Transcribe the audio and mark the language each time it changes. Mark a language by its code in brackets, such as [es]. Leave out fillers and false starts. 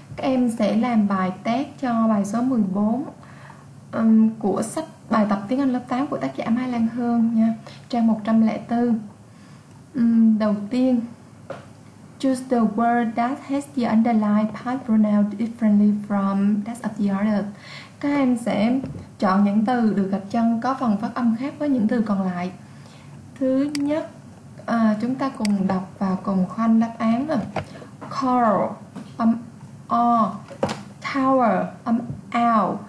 [vi] Các em sẽ làm bài test cho bài số 14 của sách bài tập tiếng Anh lớp 8 của tác giả Mai Lan Hương nha. Trang 104. Đầu tiên, [en] choose the word that has the underlined past pronoun differently from that of the other. [vi] Các em sẽ chọn những từ được gạch chân có phần phát âm khác với những từ còn lại. Thứ nhất, chúng ta cùng đọc và cùng khoanh đáp án nè. Coral, âm O. Tower, âm L.